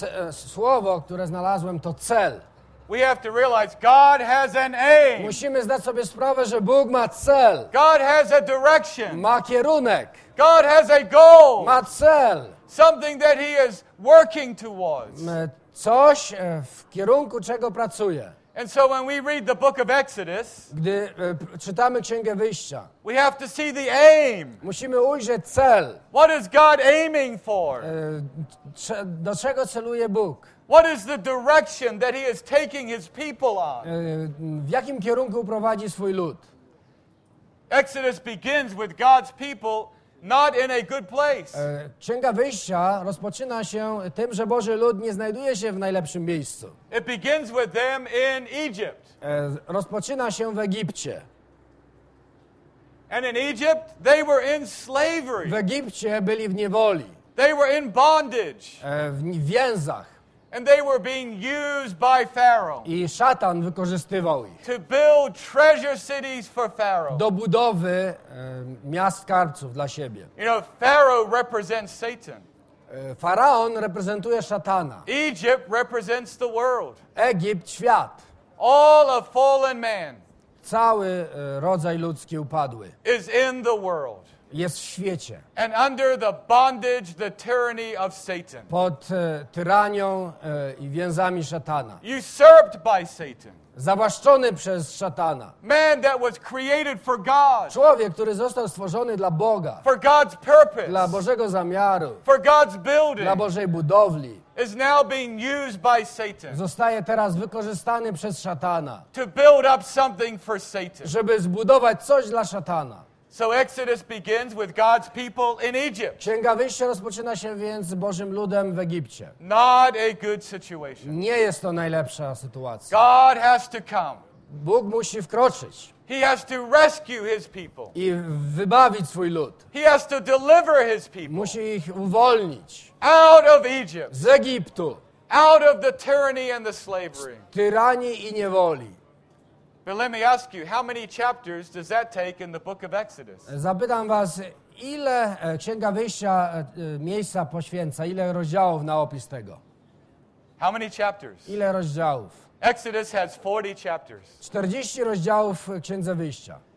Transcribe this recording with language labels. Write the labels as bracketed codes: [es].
[pl] Słowo, które znalazłem, to cel. [en] We have to realize God has an aim. [pl] Musimy zdać sobie sprawę, że Bóg ma cel. [en] God has a direction. [pl] Ma kierunek. [en] God has a goal. [pl] Ma cel. [en] Something that He is working towards. [pl] Coś, w kierunku czego pracuje. [en] And so when we read the book of Exodus, [pl] gdy czytamy Księgę Wyjścia, [en] we have to see the aim. [pl] Musimy ujrzeć cel. [en] What is God aiming for? [pl] Do czego celuje Bóg? [en] What is the direction that He is taking His people on? [pl] W jakim kierunku prowadzi swój lud? [en] Exodus begins with God's people not in a good place. [pl] Księga Wyjścia rozpoczyna się tym, że Boży lud nie znajduje się w najlepszym miejscu. [en] It begins with them in Egypt. [pl] Rozpoczyna się w Egipcie. [en] And in Egypt they were in slavery. [pl] W Egipcie byli w niewoli. [en] They were in bondage. [pl] W więzach. [en] And they were being used by Pharaoh. [pl] I szatan wykorzystywał ich. [en] To build treasure cities for Pharaoh. [pl] Do budowy miast skarbców dla siebie. [en] You know, Pharaoh represents Satan. [pl] Faraon reprezentuje szatana. [en] Egypt represents the world. [pl] Egipt świat. [en] All of fallen man. [pl] Cały rodzaj ludzki upadły. [en] Is in the world. [pl] Jest w świecie. [en] And under the bondage, the tyranny of Satan. [pl] Pod tyranią i więzami szatana. [en] Usurped by Satan. [pl] Zawłaszczony przez szatana. [en] Man that was created for God. [pl] Człowiek, który został stworzony dla Boga. [en] For God's purpose. [pl] Dla Bożego zamiaru. [en] For God's building. [pl] Dla Bożej budowli. [en] Is now being used by Satan. [pl] Zostaje teraz wykorzystany przez szatana. [en] To build up something for Satan. [pl] Żeby zbudować coś dla szatana. [en] So Exodus begins with God's people in Egypt. [pl] Księga Wyjścia rozpoczyna się więc z Bożym ludem w Egipcie. [en] Not a good situation. [pl] Nie jest to najlepsza sytuacja. [en] God has to come. [pl] Bóg musi wkroczyć. [en] He has to rescue His people. [pl] I wybawić swój lud. [en] He has to deliver His people. [pl] Musi ich uwolnić. [en] Out of Egypt. [pl] Z Egiptu. [en] Out of the tyranny and the slavery. [pl] Z tyranii i niewoli. [en] But let me ask you, how many chapters does that take in the book of Exodus? [pl] Zapytam was, ile Księga Wyjścia miejsca poświęca, ile rozdziałów na opis tego? [en] How many chapters? [pl] Ile rozdziałów? [en] Exodus has 40 chapters. [pl] 40 rozdziałów Księdze Wyjścia.